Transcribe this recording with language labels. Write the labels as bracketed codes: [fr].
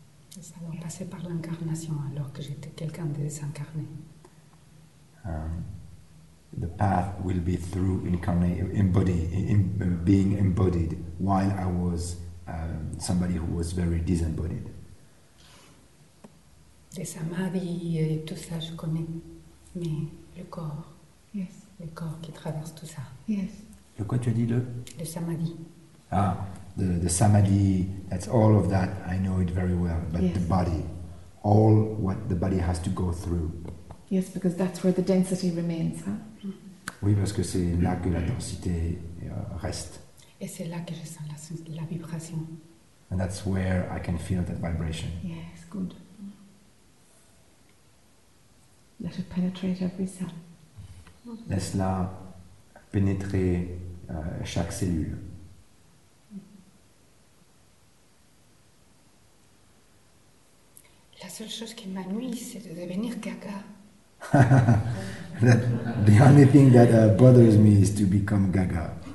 [fr] C'est ça, donc passer par l'incarnation alors que j'étais quelqu'un de désincarné. [en] The path will be through being embodied while I was somebody who was very disembodied. [fr] Des samadhis et tout ça, je connais. Mais le corps. [en] Yes. [fr] Le corps qui traverse tout ça. [en] Yes. [fr] Le quoi tu as dit le? Le samadhi. [en] Ah, the samadhi, that's all of that, I know it very well. But yes. The body, all what the body has to go through. Yes, because that's where the density remains, huh? [fr] Oui, parce que c'est là que la densité reste. Et c'est là que je sens la vibration. [en] And that's where I can feel that vibration. Yes, good. Let it penetrate every cell. [fr] Laisse-la pénétrer chaque cellule. La seule chose qui m'ennuie, c'est de devenir gaga. [en] The only thing that bothers me is to become Gaga.